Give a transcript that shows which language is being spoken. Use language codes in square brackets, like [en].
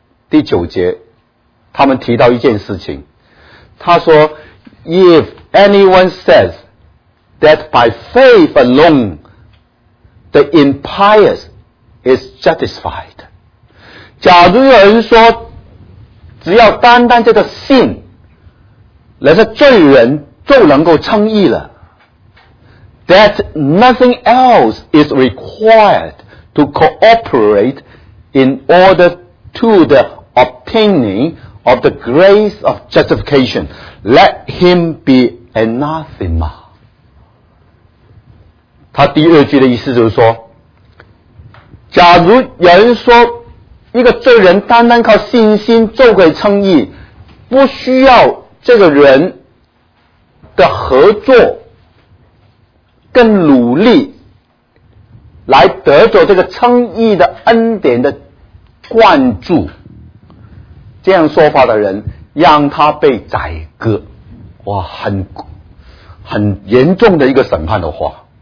[zh] 第九节，他们提到一件事情，他说 [en] If anyone says that by faith alone the impious is justified， [zh] 假如有人说只要单单这个信，人是罪人就能够称义了， [en] that nothing else is required to cooperate in order to theobtaining of the grace of justification, let him be anathema。 [zh] 他第二句的意思就是说，假如有人说一个罪人单单靠信心就可以称义，不需要这个人的合作跟努力来得着这个称义的恩典的灌注，这样说法的人让他被宰割，哇，很严重的一个审判的话。